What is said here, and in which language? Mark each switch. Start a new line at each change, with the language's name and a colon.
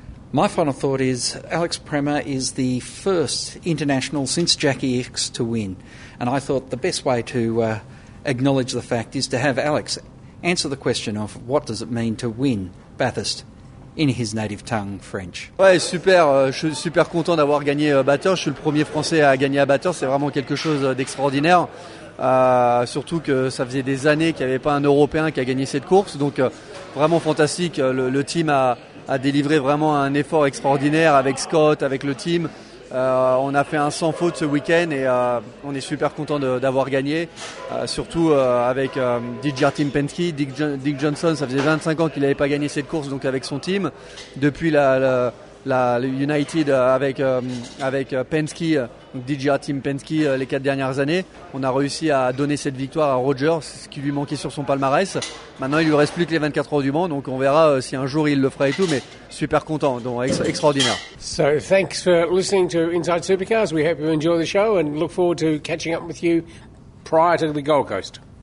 English: My final thought is Alex Prema is the first international since Jackie Ickx to win, and I thought the best way to acknowledge the fact is to have Alex answer the question of what does it mean to win Bathurst in his native tongue, French.
French: Ouais, super. Je suis super content d'avoir gagné Bathurst. Je suis le premier Français à gagner à Bathurst. C'est vraiment quelque chose d'extraordinaire. Surtout que ça faisait des années qu'il n'y avait pas un Européen qui a gagné cette course. Donc, vraiment fantastique. Le team a délivré vraiment un effort extraordinaire avec Scott, avec le team. On a fait un sans faute ce week-end et on est super content d'avoir gagné. Surtout avec DJR Team Penske, Dick Johnson, ça faisait 25 ans qu'il n'avait pas gagné cette course, donc avec son team. Depuis la United avec Penske, DJR Team Penske, les 4 dernières années, on a réussi à donner cette victoire à Roger, ce qui lui manquait sur son palmarès. Maintenant, il lui reste plus que les 24 heures du Mans, donc on verra si un jour il le fera et tout, mais super content, donc extraordinaire.
English: So, thanks for listening to Inside Supercars. We hope you enjoy the show and look forward to catching up with you prior to the Gold Coast.